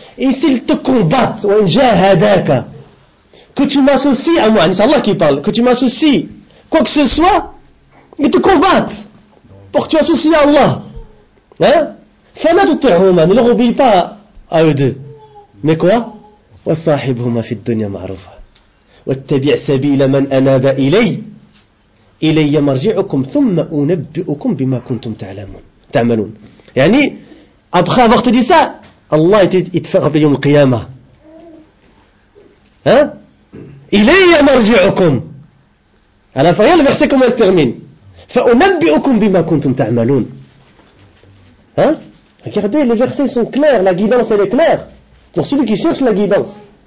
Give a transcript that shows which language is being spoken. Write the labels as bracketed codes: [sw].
[fr] Et s'il te combat, وَإِنْ جَاهَدَاكَ, que tu m'associes à moi, c'est Allah qui parle, que tu m'associes quoi que ce soit, il te combat pour que tu associes à Allah. Hein? فَلَا تُطِعْهُمَا, ne leur oublie pas à eux deux. Mais quoi? [ar] وَصَاحِبْهُمَا فِي الدُّنْيَا مَعْرُوفًا واتبع سبيل من أناب إلي مرجعكم ثم أنبئكم بما كنتم تعملون. [fr] يعني après avoir te dit ça, Allah il te fait rappeler يوم القيامة. إلي مرجعكم. À la fin, le verset comment il se termine? [ar] فأنبئكم بما كنتم تعملون. [fr] Regardez, les versets sont clairs, la guidance elle est claire pour celui qui cherche la guidance.